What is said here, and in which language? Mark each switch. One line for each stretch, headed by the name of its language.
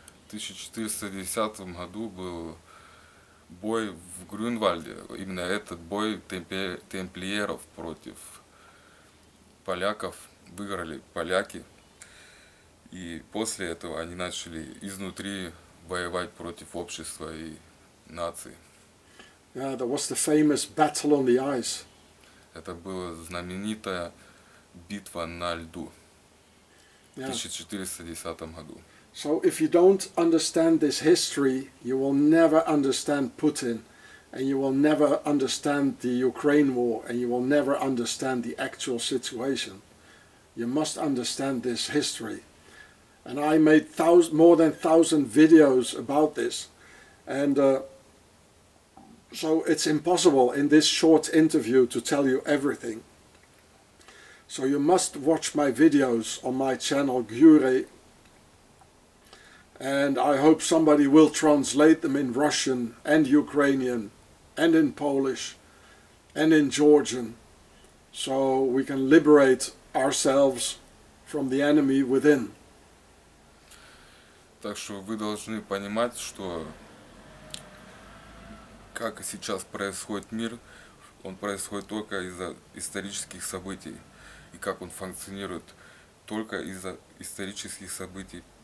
Russian: В 1410 году был бой в Грюнвальде. Именно этот бой темплиеров против поляков выиграли поляки. И после этого они начали изнутри воевать против общества и нации.
English: Yeah, that was the famous battle on the ice.
Russian: Это была знаменитая битва на льду в 1410 году.
English: So if you don't understand this history, you will never understand Putin, and you will never understand the Ukraine war, and you will never understand the actual situation. You must understand this history. And I made more than 1,000 videos about this, and so it's impossible in this short interview to tell you everything. So you must watch my videos on my channel Gure, and I hope somebody will translate them in Russian and Ukrainian and in Polish and in Georgian, so we can liberate ourselves from the enemy within.
Russian: Так что вы должны понимать, что как сейчас происходит мир, он происходит только из-за исторических событий. И как он функционирует только из-за исторических событий.